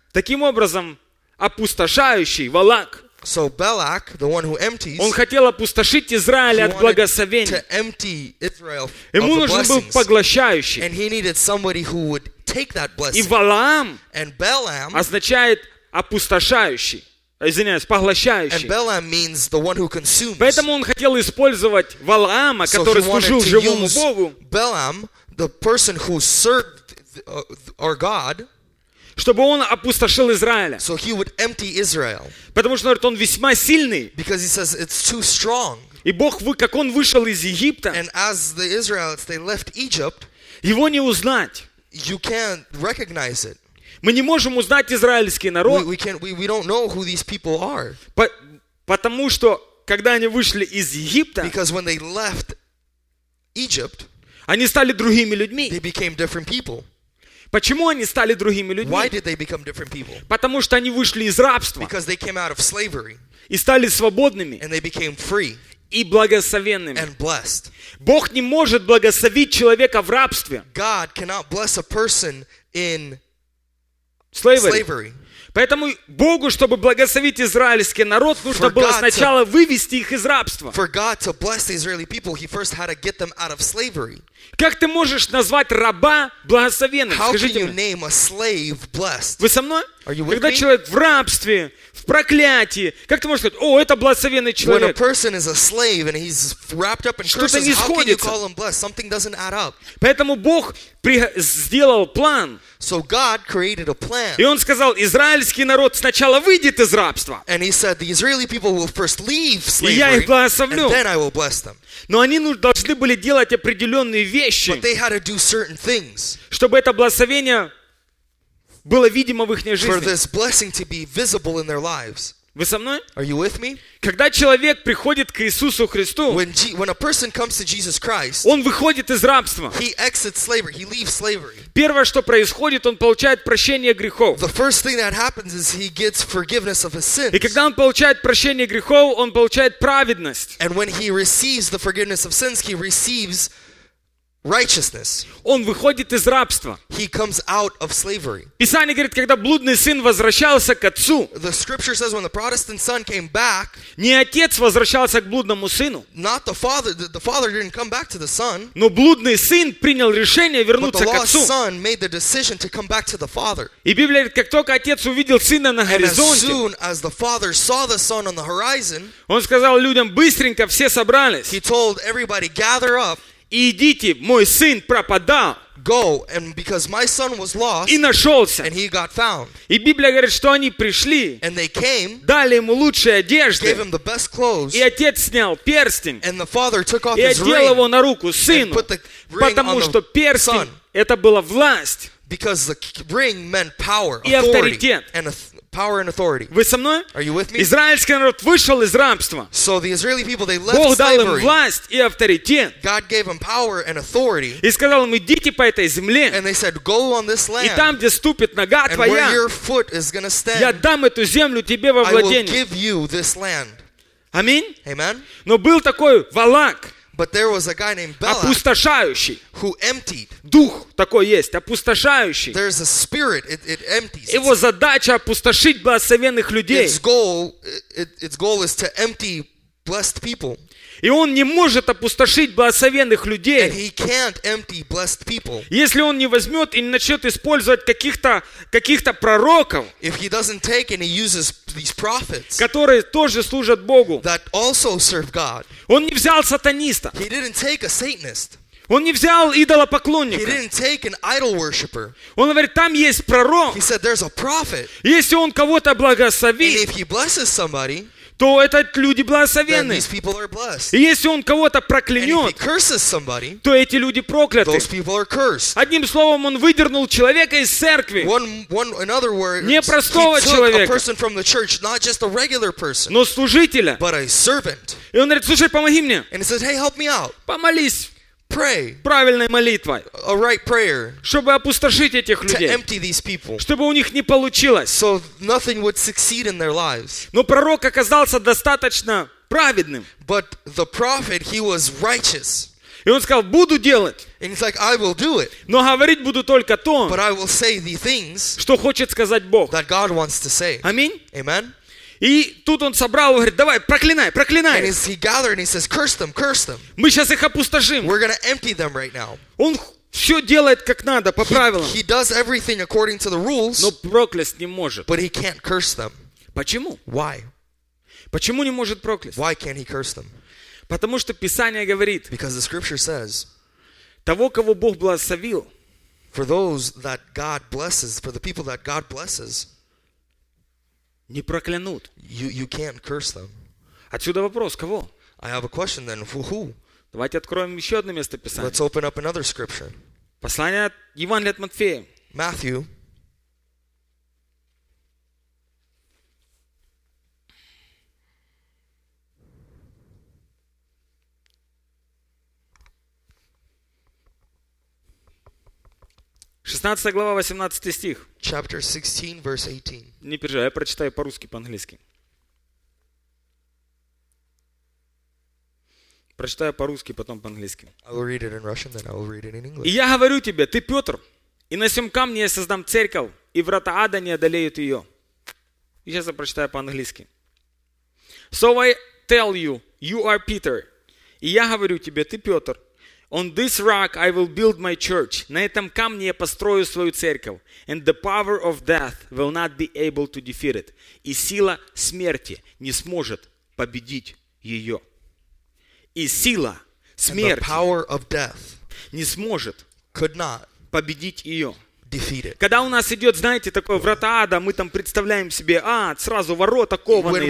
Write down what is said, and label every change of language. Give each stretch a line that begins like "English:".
Russian: Таким образом, опустошающий Валак.
English: So Balak, the one who empties,
Russian: он хотел опустошить Израиль от благословения.
English: To empty Israel of the
Russian: blessings. Ему нужен был поглощающий.
English: And he needed somebody who would take that blessing.
Russian: И Валаам.
English: And Balaam
Russian: означает опустошающий. Извиняюсь, поглощающий.
English: And Balaam means the one who consumes.
Russian: Поэтому он хотел использовать Валаама, который служил живому Богу.
English: Balaam, the person who served our God,
Russian: чтобы он опустошил Израиля.
English: So he would empty Israel.
Russian: Потому что, говорит, он весьма сильный.
English: Because he says it's too strong.
Russian: И Бог, как он вышел из Египта,
English: and as the Israelites, they left Egypt,
Russian: его не узнать.
English: You can't recognize it.
Russian: Мы не можем узнать израильский народ.
English: We don't know who these people are.
Russian: Потому что, когда они вышли из Египта,
English: because when they left Egypt,
Russian: они стали другими людьми.
English: They became different people.
Russian: Почему они стали другими людьми?
English: Why did they become different people?
Russian: Потому что они вышли из рабства.
English: Because they came out of slavery.
Russian: И стали свободными.
English: And they became free.
Russian: И благословенными.
English: And blessed.
Russian: Бог не может благословить человека в рабстве.
English: God cannot bless a person in slavery.
Russian: Поэтому Богу, чтобы благословить израильский народ, нужно было сначала вывести их из рабства.
English: For God to bless the Israeli people, he first had to get them out of slavery.
Russian: Как ты можешь назвать раба благословенным?
English: How can you name a slave blessed?
Russian: Вы со мной?
English: Are you with me?
Russian: Когда человек в рабстве, в проклятии, как ты можешь сказать, о, это благословенный человек?
English: When a person is a slave and he's wrapped up in curses,
Russian: что-то не сходится.
English: How can you call him blessed? Something doesn't add up.
Russian: Поэтому Бог сделал план.
English: So God created a plan.
Russian: И он сказал, израильский народ сначала выйдет из рабства.
English: And he said, the Israeli people will first leave slavery.
Russian: И я их благословлю.
English: And then I will bless them.
Russian: Но они должны были делать определенные вещи,
English: but they had to do certain things,
Russian: чтобы это благословение было видимо в их жизни.
English: For this blessing to be visible in their lives.
Russian: Вы со мной?
English: Are you with me?
Russian: Когда человек приходит к Иисусу Христу,
English: when a person comes to Jesus Christ,
Russian: он выходит из рабства.
English: He exits slavery. He leaves slavery.
Russian: Первое, что происходит, он получает прощение грехов.
English: The first thing that happens is he gets forgiveness of his sins.
Russian: И когда он получает прощение грехов, он получает праведность.
English: And when he receives the forgiveness of sins, he receives righteousness.
Russian: Он выходит из рабства.
English: He comes out of slavery.
Russian: Писание говорит, когда блудный сын возвращался к отцу,
English: the scripture says when the Protestant son came back,
Russian: не отец возвращался к блудному сыну,
English: not the father didn't come back to the son,
Russian: но блудный сын принял решение вернуться к отцу.
English: The son made the decision to come back to the father.
Russian: И Библия говорит, как только отец увидел сына на горизонте,
English: as soon as the father saw the son on the horizon,
Russian: он сказал людям, быстренько все собрались.
English: He told everybody, gather up.
Russian: И идите, мой сын пропадал.
English: Go, and because my son was lost,
Russian: и нашелся.
English: And he got found.
Russian: И Библия говорит, что они пришли.
English: And they came,
Russian: дали ему лучшие одежды.
English: Gave him the best clothes,
Russian: и отец снял перстень.
English: And the father took off
Russian: и одел его на руку сыну.
English: And put the ring
Russian: потому
English: on
Russian: что
English: the
Russian: перстень
English: son,
Russian: это была власть.
English: Because the ring meant power,
Russian: и авторитет.
English: Power and authority.
Russian: Вы со мной?
English: Are you with me?
Russian: Израильский народ вышел из рабства.
English: So the Israeli people, they left
Russian: Бог дал
English: slavery.
Russian: Им власть и авторитет.
English: God gave them power and authority.
Russian: И сказал им, идите по этой земле.
English: And they said, go on this land.
Russian: И там, где ступит нога твоя,
English: and where your foot is gonna stand,
Russian: я дам эту землю тебе во владение.
English: I will give you this land.
Russian: Аминь.
English: Amen.
Russian: Но был такой Валак.
English: But there was a guy named Balak,
Russian: опустошающий,
English: who emptied.
Russian: Дух такой есть, опустошающий.
English: There's a spirit, it empties.
Russian: Его задача опустошить благословенных людей.
English: Its goal is to empty blessed people.
Russian: И он не может опустошить благословенных людей.
English: And he can't empty blessed people.
Russian: Если он не возьмет и не начнет использовать каких-то пророков,
English: if he doesn't take and he uses these prophets,
Russian: которые тоже служат Богу,
English: that also serve God,
Russian: он не взял сатаниста.
English: He didn't take a Satanist.
Russian: Он не взял идолопоклонника.
English: He didn't take an idol worshiper.
Russian: Он говорит, там есть пророк.
English: He said, there's a prophet.
Russian: Если он кого-то благословит,
English: and if he blesses somebody,
Russian: то это люди благословенны.
English: These people are blessed.
Russian: И если он кого-то проклянет,
English: and if he curses somebody,
Russian: то эти люди прокляты.
English: Those people are cursed.
Russian: Одним словом, он выдернул человека из церкви. Непростого человека.
English: He took a person from the church, not just a regular person,
Russian: но служителя.
English: But a servant.
Russian: И он говорит, слушай, помоги мне.
English: And he said, hey, help me out.
Russian: Помолись.
English: Pray.
Russian: Правильной молитвой.
English: A right prayer.
Russian: Чтобы опустошить этих людей.
English: To empty these people.
Russian: Чтобы у них не получилось.
English: So nothing would succeed in their lives.
Russian: Но пророк оказался достаточно праведным.
English: But the prophet, he was righteous.
Russian: И он сказал, буду делать.
English: And he's like, I will do it.
Russian: Но говорить буду только то,
English: but I will say the things,
Russian: что хочет сказать Бог.
English: That God wants to say.
Russian: Аминь.
English: Amen.
Russian: И тут он собрал, говорит, давай, проклинай, проклинай.
English: And he gathered and he says, curse them, curse them.
Russian: Мы сейчас их опустошим.
English: We're gonna empty them right now.
Russian: Он все делает как надо, по правилам.
English: He does everything according to the rules.
Russian: Но проклясть не может.
English: But he can't curse them.
Russian: Почему?
English: Why?
Russian: Почему не может проклясть?
English: Why can't he curse them?
Russian: Потому что Писание говорит,
English: because the scripture says,
Russian: того, кого Бог благословил,
English: for those that God blesses, for the people that God blesses,
Russian: не проклянут.
English: You can't curse them.
Russian: Отсюда вопрос, кого?
English: I have a question then, for who?
Russian: Давайте откроем еще одно место Писания.
English: Let's open up another scripture.
Russian: Послание от Евангелия от Матфея.
English: Matthew.
Russian: Шестнадцатая глава, 18 стих.
English: Chapter 16, verse 18.
Russian: Не переживай, я прочитаю по-русски, по-английски. Прочитаю по-русски, потом по-английски.
English: I will read it in Russian, then I will read it in English.
Russian: И я говорю тебе, ты Петр, и на сём камне я создам церковь, и врата ада не одолеют ее. И сейчас я прочитаю по-английски.
English: So I tell you, you are Peter.
Russian: И я говорю тебе, ты Петр.
English: On this rock I will build my church.
Russian: На этом камне я построю свою церковь.
English: And the power of death will not be able to defeat it.
Russian: И сила смерти не сможет победить ее. И сила смерти
English: the power of death
Russian: не сможет
English: could not
Russian: победить ее.
English: Defeated.
Russian: Когда у нас идет, знаете, такое врата ада, мы там представляем себе, а, сразу ворота кованые.